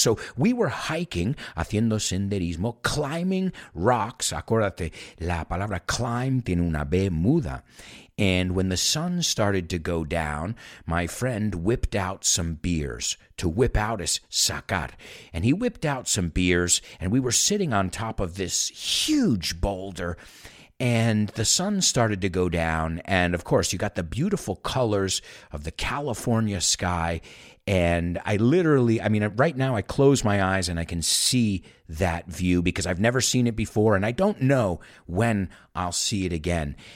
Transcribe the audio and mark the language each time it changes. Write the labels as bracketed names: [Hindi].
[English] So we were hiking, [Spanish] haciendo senderismo, [English] climbing rocks. [Spanish] Acuérdate, la palabra climb tiene una B muda. [English] And when the sun started to go down, my friend whipped out some beers. To whip out is sacar. And he whipped out some beers, and we were sitting on top of this huge boulder, and the sun started to go down, and of course, you got the beautiful colors of the California sky, and right now I close my eyes and I can see that view, because I've never seen it before, and I don't know when I'll see it again.